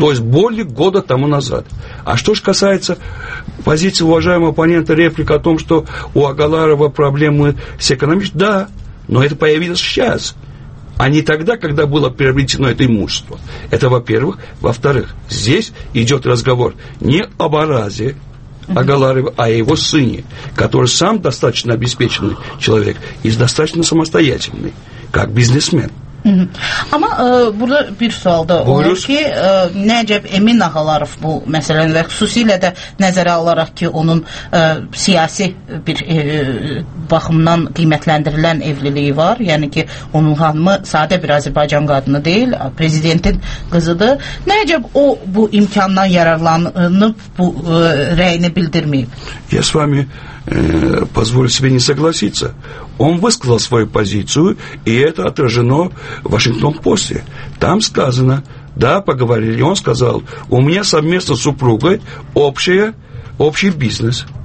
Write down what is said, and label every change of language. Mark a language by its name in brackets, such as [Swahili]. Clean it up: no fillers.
[Russian] То есть более года тому назад. А что же касается позиции уважаемого оппонента, реплика о том, что у Агаларова проблемы с экономическими, да, но это появилось сейчас, а не тогда, когда было приобретено это имущество. Это во-первых. Во-вторых, здесь идет разговор не об Аразе Агаларова, а его сыне, который сам достаточно обеспеченный человек и достаточно самостоятельный, как бизнесмен. [Azerbaijani] Ama burada bir sual da olur ki, Nəcəb Emin Ağalarov bu məsələni və xüsusilə də nəzərə alaraq ki, onun siyasi bir baxımdan qiymətləndirilən evliliyi var, yəni ki, onun hanımı sadə bir Azərbaycan qadını deyil, prezidentin qızıdır. Nəcəb o bu imkandan yararlanıb, bu rəyini bildirməyib? [English] Yes, Fami. [Russian] Позволю себе не согласиться. Он высказал свою позицию, и это отражено в Вашингтон-Посте. Там сказано, да, поговорили, он сказал, у меня совместно с супругой общий бизнес.